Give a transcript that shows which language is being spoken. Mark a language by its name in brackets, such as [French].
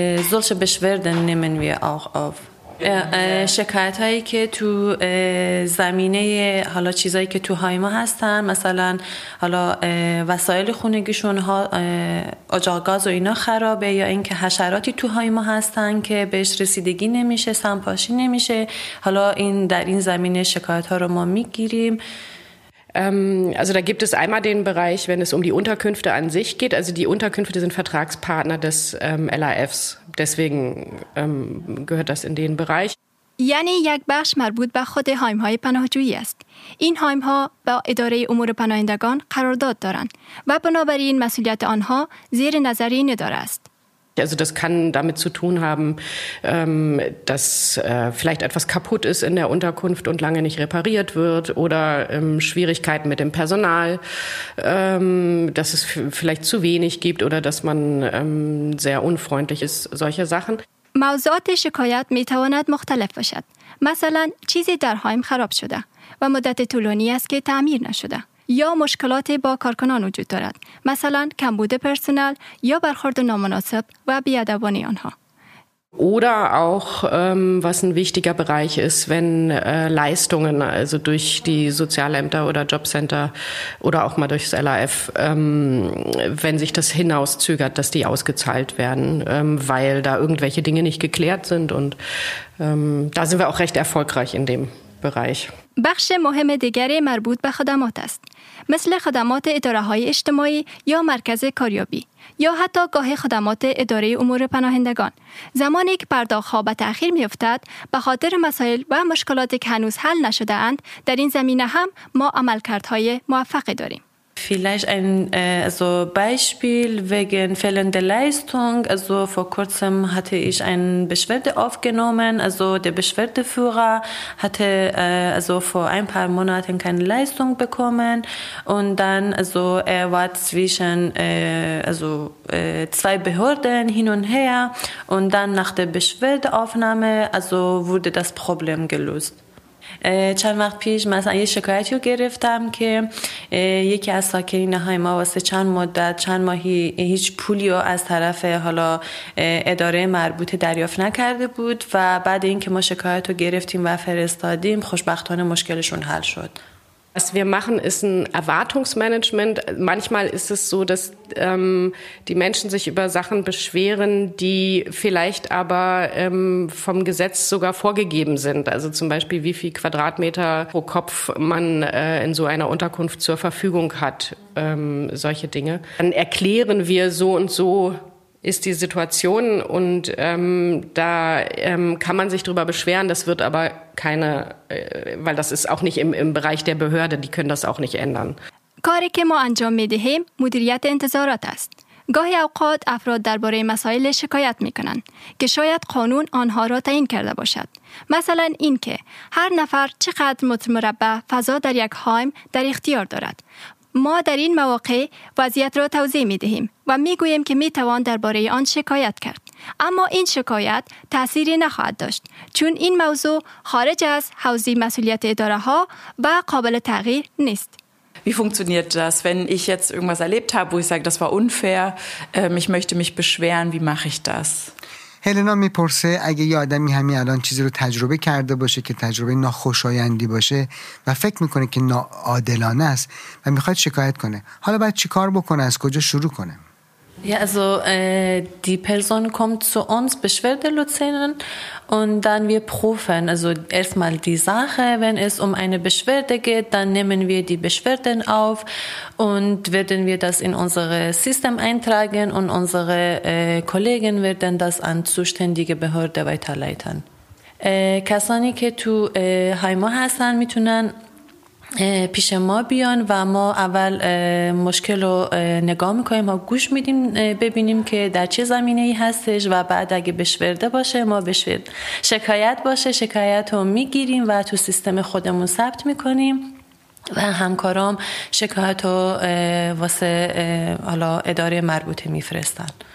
[German] Solche Beschwerden nehmen wir auch auf. [Persian] شکایت هایی که تو زمینه حالا چیزایی که تو هایما هستن، مثلا حالا وسایل خونگیشون ها اجاق گاز و اینا خرابه، یا اینکه حشراتی تو هایما هستن که بهش رسیدگی نمیشه، سمپاشی نمیشه. حالا این در این زمینه شکایت ها رو ما میگیریم. [German] Also da gibt es einmal den Bereich, wenn es um die Unterkünfte an sich geht. Also die Unterkünfte sind Vertragspartner des LAFs. Deswegen gehört das in den Bereich. [Persian] یعنی یک بخش مربوط به خود هایم‌های پناهجویی است. این هایم‌ها با اداره امور پناهندگان قرارداد دارند و بنابراین مسئولیت آنها زیر نظر این اداره است. [German] Also das kann damit zu tun haben, dass vielleicht etwas kaputt ist in der Unterkunft und lange nicht repariert wird oder Schwierigkeiten mit dem Personal, dass es vielleicht zu wenig gibt oder dass man sehr unfreundlich ist, solche Sachen. [Persian] موضوعات شکایت میتواند مختلف باشد. مثلا چیزی در هایم خراب شده و مدت طولانی است که تعمیر نشده. یا مشکلات با کارکنان وجود دارد، مثلا کمبود پرسنل یا برخورد نامناسب و بی‌ادبانه آنها. [German] Oder auch was ein wichtiger Bereich ist, wenn Leistungen also durch die Sozialämter oder Jobcenter oder auch mal durchs LAF, wenn sich das hinauszögert, dass die ausgezahlt werden, weil da irgendwelche Dinge nicht geklärt sind und da sind wir auch recht erfolgreich in dem Bereich. [Persian] بخش مهم دیگری مربوط به خدمات است، مثل خدمات اداره های اجتماعی یا مرکز کاریابی یا حتی گاه خدمات اداره امور پناهندگان. زمانی که پرداخت ها به تأخیر می افتد به خاطر مسائل و مشکلاتی که هنوز حل نشده اند، در این زمینه هم ما عملکردهای موفقی داریم. [German] Vielleicht ein also Beispiel wegen fehlender Leistung. Also vor kurzem hatte ich eine Beschwerde aufgenommen. Also der Beschwerdeführer hatte also vor ein paar Monaten keine Leistung bekommen. Und dann also er war zwischen zwei Behörden hin und her. Und dann nach der Beschwerdeaufnahme also wurde das Problem gelöst. [Persian] چند وقت پیش مثلا یه شکایتی رو گرفتم که یکی از ساکنین های ما واسه چند ماهی هیچ پولی رو از طرف حالا اداره مربوطه دریافت نکرده بود و بعد اینکه ما شکایت رو گرفتیم و فرستادیم خوشبختانه مشکلشون حل شد. [German] Was wir machen, ist ein Erwartungsmanagement. Manchmal ist es so, dass die Menschen sich über Sachen beschweren, die vielleicht aber vom Gesetz sogar vorgegeben sind. Also zum Beispiel, wie viel Quadratmeter pro Kopf man in so einer Unterkunft zur Verfügung hat, solche Dinge. Dann erklären wir so und so, ist die Situation und da kann man sich drüber beschweren. Das wird aber keine, weil das ist auch nicht im Bereich der Behörde. Die können das auch nicht ändern. [Persian] کاری که ما انجام میدهیم مدیریت انتظارات است. گاهی اوقات افراد درباره مسائل شکایت میکنند که شاید قانون آنها را تعیین کرده باشد. مثلا این که هر نفر چقدر متر مربع فضا در یک هایم در اختیار دارد. ما در این مواقع وضعیت را توضیح می دهیم و می گوییم که می توان درباره آن شکایت کرد. اما این شکایت تأثیری نخواهد داشت چون این موضوع خارج از حوزه مسئولیت اداره ها و قابل تغییر نیست. [German] Wie funktioniert das, wenn ich jetzt irgendwas erlebt habe, wo ich sage, das war unfair, ich möchte mich beschweren, wie mache ich das? [Persian] هلنا میپرسه اگه یه آدمی همین الان چیزی رو تجربه کرده باشه که تجربه ناخوشایندی باشه و فکر میکنه که ناعادلانه است و میخواد شکایت کنه. حالا باید چی کار بکنه؟ از کجا شروع کنه؟ [German] Ja, also die Person kommt zu uns, Beschwerdelotsinnen, und dann wir prüfen, also erstmal die Sache, wenn es um eine Beschwerde geht, dann nehmen wir die Beschwerden auf und werden wir das in unser System eintragen und unsere Kollegen werden das an zuständige Behörde weiterleiten. [Persian] Kasani ke tu Haimo Hassan mitunan پیش ما بیان و ما اول مشکل رو نگاه میکنیم و گوش میدیم ببینیم که در چه زمینه ای هستش و بعد اگه بشورده باشه ما بشورد شکایت باشه شکایت رو میگیریم و تو سیستم خودمون ثبت میکنیم و همکارام شکایت رو واسه اداره مربوطه میفرستن.